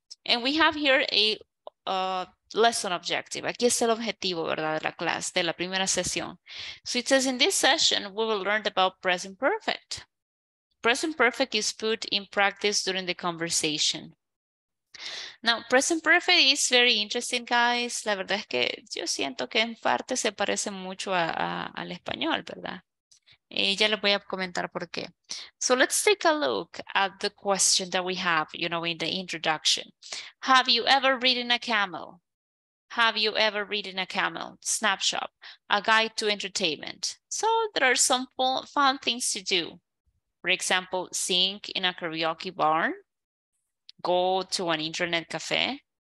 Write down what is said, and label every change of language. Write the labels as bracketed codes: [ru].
[en] And we have here a lesson objective. [es] Aquí es el objetivo, ¿verdad? De la clase, de la primera sesión. [en] So it says, in this session, we will learn about present perfect. Present perfect is put in practice during the conversation. Now, present perfect is very interesting, guys. [es] La verdad es que yo siento que en parte se parece mucho al español, ¿verdad? Y ya les voy a comentar por qué. [en] So let's take a look at the question that we have, you know, in the introduction. Have you ever ridden a camel? Have you ever ridden a camel? Snapshot, a guide to entertainment. So there are some fun things to do. For example, sing in a karaoke barn. Go to an internet cafe.